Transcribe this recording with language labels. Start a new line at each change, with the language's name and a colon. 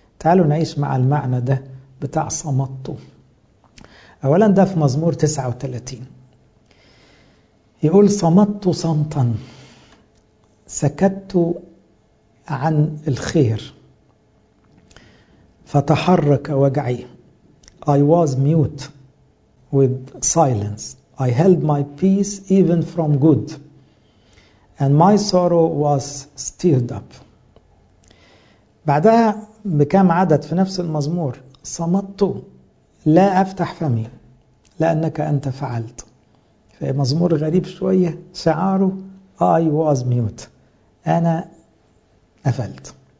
Arabic: تعالوا نعيش مع المعنى ده بتاع صمتوا. أولا ده في مزمور 39 يقول صمتوا صمتا، سكتوا عن الخير فتحرك وجعي.
English: I was mute with silence. I held my peace even from good, and my sorrow was stirred up.
Arabic: بعدها بكام عدد في نفس المزمور صمتت لا أفتح فمي لأنك أنت فعلت. في مزمور غريب شوية شعاره
English: I was mute،
Arabic: أنا قفلت.